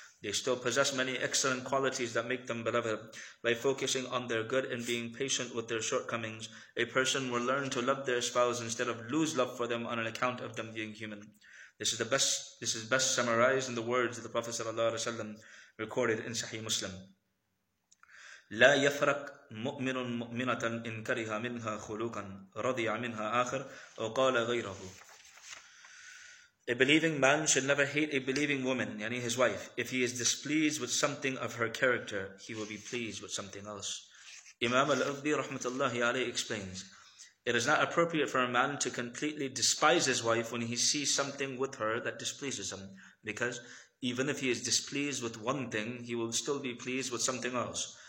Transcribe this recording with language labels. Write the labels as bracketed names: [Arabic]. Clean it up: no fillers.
[English] They still possess many excellent qualities that make them beloved. By focusing on their good and being patient with their shortcomings, a person will learn to love their spouse instead of lose love for them on an account of them being human. This is best summarized in the words of the Prophet sallallahu alaihi wasallam recorded in Sahih Muslim. [Arabic] لا يفرق مؤمن مؤمنة إن كره منها خلوقا رضي منها آخر أو قال غيره. [English] A believing man should never hate a believing woman, yani his wife. If he is displeased with something of her character, he will be pleased with something else. Imam al-Ubdi rahmatullahi alayhi explains, it is not appropriate for a man to completely despise his wife when he sees something with her that displeases him, because even if he is displeased with one thing, he will still be pleased with something else.